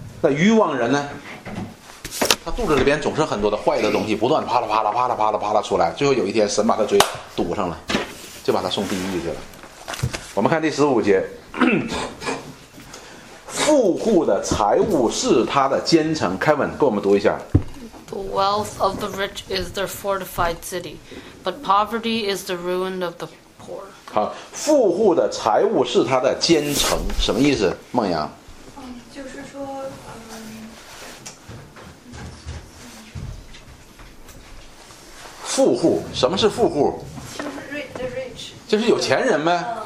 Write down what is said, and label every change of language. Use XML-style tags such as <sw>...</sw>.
<zh>那欲望人呢，他肚子里边总是很多的坏的东西，不断啪啦啪啦啪啦啪啦啪啦出来，最后有一天神把他嘴堵上了，就把他送地狱去了。我们看第十五节，富户的财物是他的坚城。 Kevin， 给我们读一下。</zh> <en>The wealth of the rich is their fortified city, but poverty is the ruin of the poor.</en> <zh>好，富户的财物是他的坚城，什么意思？孟阳。富户，什么是富户？就是有钱人呗。</zh>